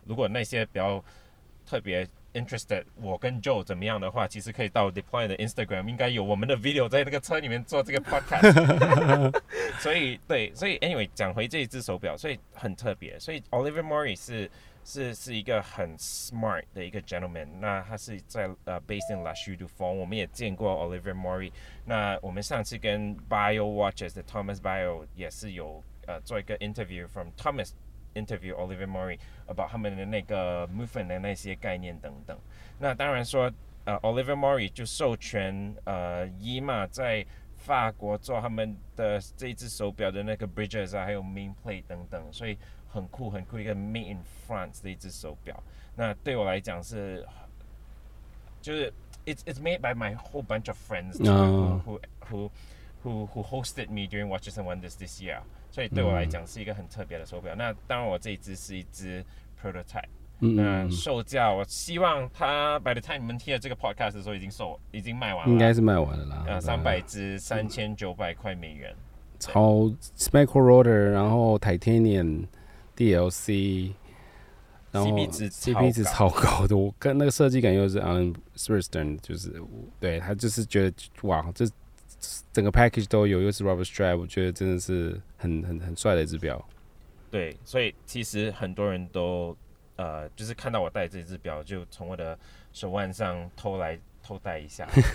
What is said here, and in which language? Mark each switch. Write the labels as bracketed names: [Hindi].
[Chinese] 如果那些比较特别interested 我跟 Joe 怎么样的话，其实可以到 Deploy 的 Instagram， 应该有我们的 video 在那个车里面做这个 podcast。所以 anyway 讲回这一只手表，所以很特别。所以 Olivier Mori 是一个很 smart 的一个 gentleman， 那他是在 [English] based in [Chinese] La Chaux de Fonds， 我们也见过 Olivier Mori。那我们上次跟 Bio Watches 的 Thomas Bio 也是有做一个 [English] interview from Thomasinterview [Chinese] Olivier Mori about 他们的那个 movement 的那些概念等等。那当然说Olivier Mori 就授权Yima 在法国做他们的这一只手表的那个 bridges 啊，还有 main plate 等等，所以很酷很酷，一个 [English] made in France [Chinese] 的一只手表。那对我来讲是就是 [English] it's made by my whole bunch of friends、who hosted me during Watches and Wonders this year， [Chinese] 所以对我来讲是一个很特别的手表。那当然我这一只是一只 prototype， 那售价我希望它 [English] by the time [Chinese] 你们听了这个 podcast 的时候已经卖完了，应该是卖完了啦。 300只$3,900 超 [English] micro rotor， [Chinese] 然后 [English] titanium DLC， [Chinese] 然后 CP 值超高的，我跟那个设计感又是 Alan Swirston， 就是对他就是觉得哇，这整个 package 都有，又是 [English] rubber strap， [Chinese] 我觉得真的是很帅的一只表。对，所以其实很多人都就是看到我戴这只表，就从我的手腕上偷戴一下。